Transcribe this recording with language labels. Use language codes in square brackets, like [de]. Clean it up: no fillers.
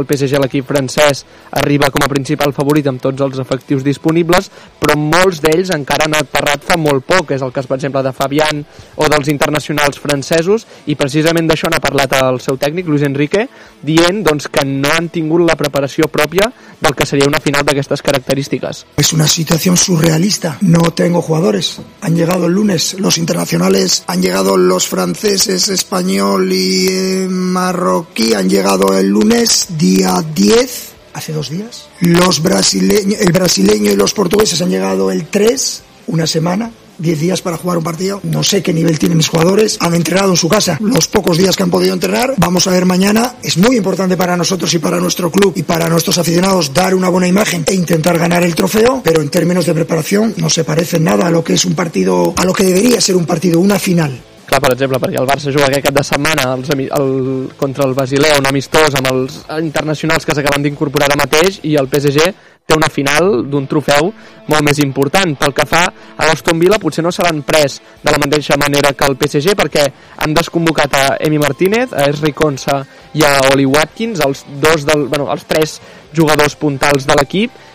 [ca] El PSG, l'equip francès, arriba com a principal favorit amb tots els efectius disponibles, però molts d'ells encara han aterrat fa molt poc. És el cas, per exemple, de Fabian o dels internacionals francesos, i precisament d'això n'ha parlat el seu tècnic, Luis Enrique, dient doncs, que no han tingut la preparació pròpia del que seria una final d'aquestes característiques. És una situació surrealista. [es] No tengo jugadores. Han llegado el lunes los internacionales, han llegado los franceses, español y marroquí, han llegado el lunes, día 10, hace dos días. Los brasileños, el brasileño y los portugueses han llegado el 3, una semana, 10 días para jugar un partido. No sé qué nivel tienen mis jugadores, han entrenado en su casa los pocos días que han podido entrenar. Vamos a ver mañana, es muy importante para nosotros y para nuestro club y para nuestros aficionados dar una buena imagen e intentar ganar el trofeo, pero en términos de preparación no se parece nada a lo que es un partido, a lo que debería ser un partido, una final. [ca] Clar, per exemple, perquè el Barça juga aquest cap de setmana contra el Basilea, un amistós amb els internacionals que s'acaben d'incorporar ara mateix, i el PSG té una final d'un trofeu molt més important. Pel que fa a l'Aston Villa, potser no seran pres de la mateixa manera que el PSG, perquè han desconvocat a Emi Martínez, a Esri Konsa i a Oli Watkins, els tres jugadors puntals de l'equip.